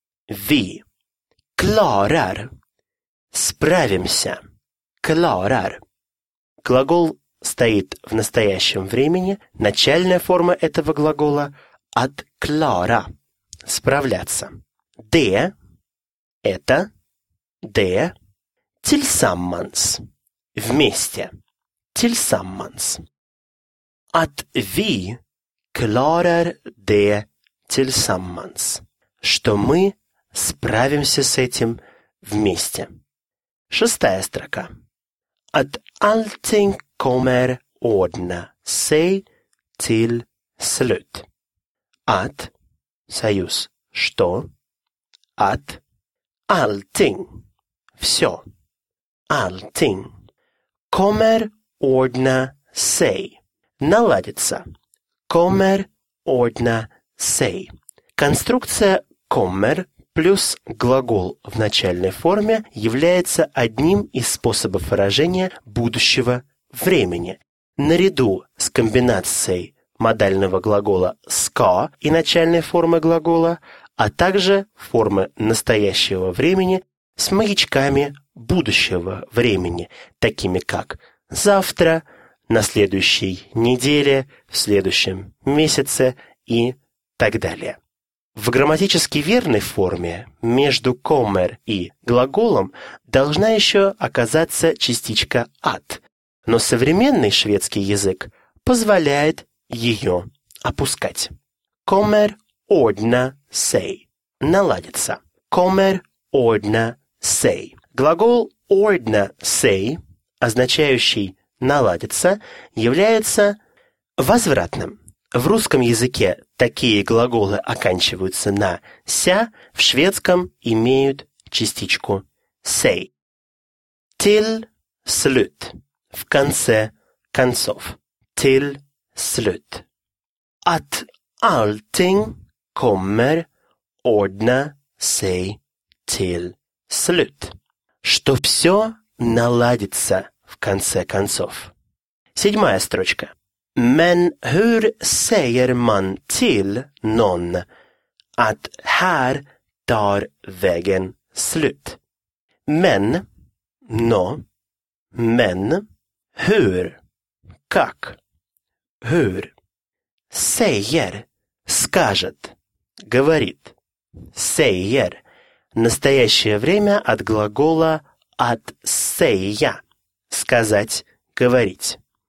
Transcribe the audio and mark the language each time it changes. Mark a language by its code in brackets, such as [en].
[sv] Vi – klarer – [ru] справимся. [sv] Klarer. [ru] Глагол стоит в настоящем времени. Начальная форма этого глагола – [sv] at klara [ru] – справляться. [sv] De – [ru] это. [sv] De – tillsammans – [ru] вместе. [sv] Tillsammans. At vi klarer det tillsammans. [ru] Что мы справимся с этим вместе. Шестая строка. [sv] At allting kommer ordna sig till slut. [ru] At – союз «что». [sv] At – allting – [ru] все. [sv] Allting – kommer ordna sig – [ru] наладится. [sv] Kommer ordna sig. [ru] Конструкция kommer плюс глагол в начальной форме является одним из способов выражения будущего времени. Наряду с комбинацией модального глагола «ska» и начальной формы глагола, а также формы настоящего времени с маячками будущего времени, такими как «завтра», «на следующей неделе», «в следующем месяце» и так далее. В грамматически верной форме между kommer и глаголом должна еще оказаться частичка at, но современный шведский язык позволяет ее опускать. [sv] Kommer ordna sig – [ru] наладится. [sv] Kommer ordna sig. [ru] Глагол ordna sig, означающий «наладится», является возвратным. В русском языке такие глаголы оканчиваются на «ся», в шведском имеют частичку «сей». [sv] «Till slut» [ru] – в конце концов. [sv] «Till slut». «At allting kommer ordna sig till slut». [ru] Что все наладится в конце концов. Седьмая строчка. [sv] Men hur säger man till någon att här tar vägen slut? Men, no, men, hur, [ru] как, [sv] hur, säger, [ru] скажет, говорит, säger, настоящее время от глагола att säga, сказать, говорить.